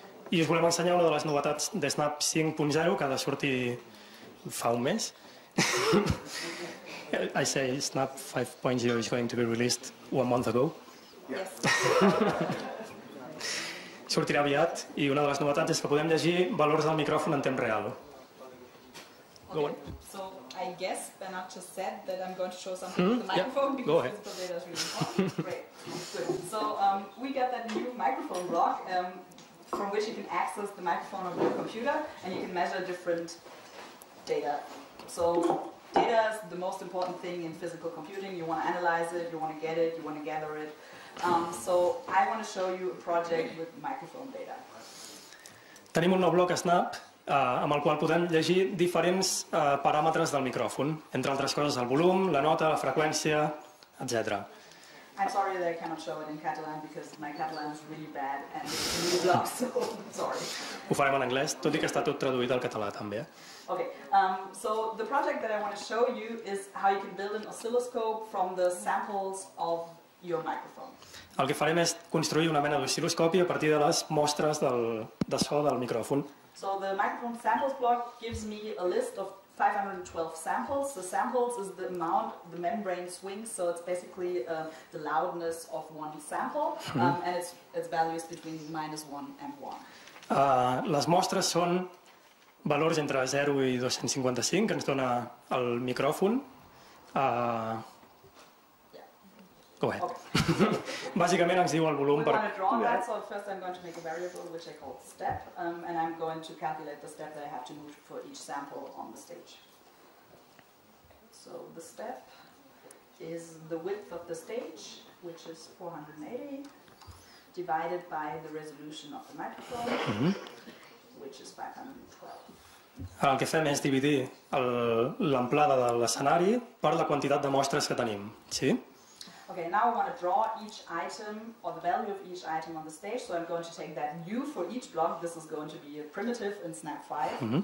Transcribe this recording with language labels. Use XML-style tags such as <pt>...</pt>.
<ca>I us volem ensenyar una de les novetats de Snap 5.0, que ha de sortir fa un mes.</ca> <en>I say Snap 5.0 is going to be released 1 month ago. Yes.</en> <ca>Sortirà aviat i una de les novetats és que podem llegir valors del micròfon en temps real.</ca> <en>Okay. So I guess Bernard just said that I'm going to show something with the microphone because the data is really important. Great. So we got that new microphone block from which you can access the microphone on your computer and you can measure different data. So data is the most important thing in physical computing. You want to analyze it, you want to get it, you want to gather it. So I want to show you a project with microphone data.</en> <ca>Tenim un nou bloc Snap. Amb el qual podem llegir diferents paràmetres del micròfon, entre altres coses el volum, la nota, la freqüència, etc.</ca> <en>I'm sorry that I cannot show it in Catalan because my Catalan is really bad and it's really blocked, so sorry.</en> <ca>Ho farem en anglès, tot i que està tot traduït al català també.</ca> <en>Okay, so the project that I want to show you is how you can build an oscilloscope from the samples of your microphone.</en> <ca>El que farem és construir una mena d'oscil·loscopi a partir de les mostres de so del micròfon.</ca> <en>So the microphone samples block gives me a list of 512 samples. The samples is the amount the membrane swings, so it's basically the loudness of one sample, and its value is between -1 and 1.</en> <ca>Les mostres són valors entre 0 i 255, que ens dona el micròfon.</ca> <en>Go ahead.</en> <ca>Okay. Bàsicament ens diu el volum.</ca> <en>We're going to draw that, so first I'm going to make a variable which I call step, and I'm going to calculate the step that I have to move for each sample on the stage. So the step is the width of the stage, which is 480, divided by the resolution of the microphone, which is 512.</en> <ca>El que fem és dividir l'amplada de l'escenari per la quantitat de mostres que tenim, sí?</ca> <en>Okay, now I want to draw each item or the value of each item on the stage, so I'm going to take that U for each block. This is going to be a primitive in Snap 5.</en>